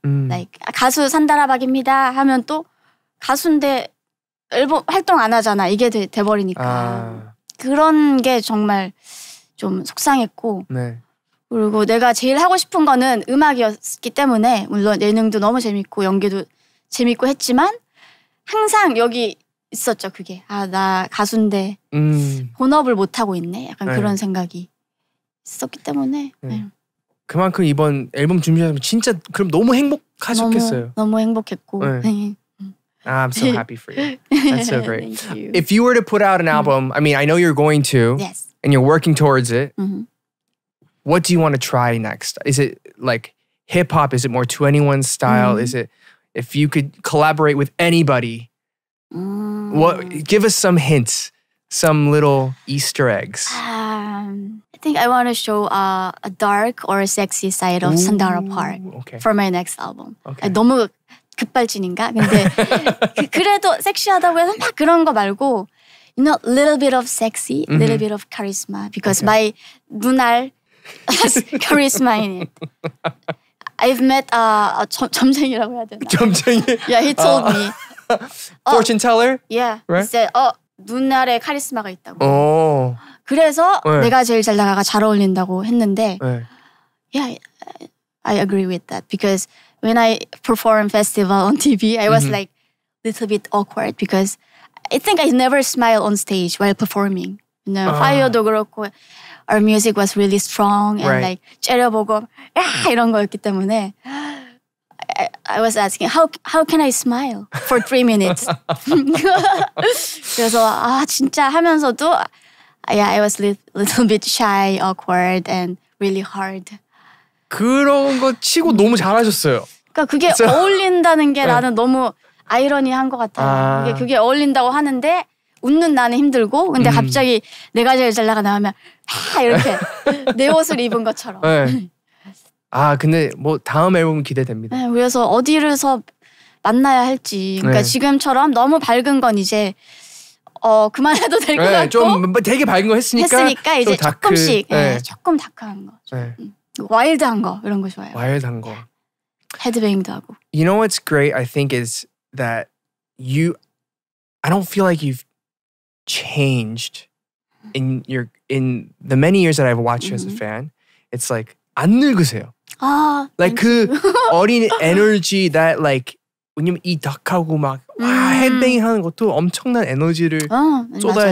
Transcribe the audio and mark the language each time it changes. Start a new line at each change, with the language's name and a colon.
Korean: Like 가수 산다라박입니다 하면 또 가수인데 앨범 활동 안 하잖아 이게 돼버리니까 그런 게 정말 좀 속상했고 그리고 내가 제일 하고 싶은 거는 음악이었기 때문에 물론 예능도 너무 재밌고 연기도 재밌고 했지만 항상 여기 있었죠 그게. 아, 나 가수인데 본업을 못하고 있네. 약간 그런 생각이 있었기 때문에. 그만큼 이번 앨범 준비하면 진짜 그럼 너무 행복하셨겠어요. 너무 행복했고.
English: I'm so happy for you. That's so great. Thank you. If you were to put out an album, I mean, I know you're going to. Yes. And you're working towards it. What do you want to try next? Is it like hip-hop? Is it more 21 style? Is it if you could collaborate with anybody? What? Give us some hints. Some little Easter eggs. I think I want to show a dark or a sexy side of Sandara Park for my next album. Okay.
Korean: 너무 급발진인가? 근데 그래도 섹시하다고 해서 막 그런 거 말고
English: you know, little bit of sexy, little bit of charisma because my 눈알 has charisma in it. I've met a
Korean: 점쟁이라고 해야 되나? 점쟁이?
English: Yeah, he told me. Fortune teller? Yeah. Right? He said, oh,
Korean: 눈알에 카리스마가 있다고. 그래서 네. 내가 제일 잘 나가가 잘 어울린다고 했는데 네.
English: Yeah, I agree with that. Because when I perform festival on TV, I was like a little bit awkward because I think I never smile on stage while performing. You know,
Korean: 화요도 그렇고
English: our music was really strong and right. like
Korean: 째려보고 야! 이런 거였기 때문에
English: I was asking, how can I smile for 3 minutes?
Korean: 그래서 아 진짜 하면서도
English: yeah, I was a little bit shy, awkward, and really hard.
Korean: 그런 거 치고 너무 잘하셨어요. 그러니까 그게 so, 어울린다는 게 네. 나는 너무 아이러니한 것 같아요. 아. 그게 어울린다고 하는데 웃는 나는 힘들고 근데 갑자기 내가 제일 잘 나가 나가면 하! 이렇게 내 옷을 입은 것처럼. 네. 아 근데 뭐 다음 앨범은 기대됩니다. 네, 그래서 어디를서 만나야 할지 그러니까 네. 지금처럼 너무 밝은 건 이제 그만해도 될 것 네, 같고 좀 뭐 되게 밝은 거 했으니까 했으니까 이제 다크. 조금씩 네. 네, 조금 다크한 거 네. 와일드한 거 이런 거 좋아해요. 와일드한 거 헤드뱅도 하고
English: You know what's great I think is that you I don't feel like you've changed in your in the many years that I've watched you as a fan it's like
Korean: 안 늙으세요. 아, like 그 어린 에너지 that like 왜냐면 이 닭하고 막 헤드뱅이 하는 것도 엄청난 에너지를 쏟아야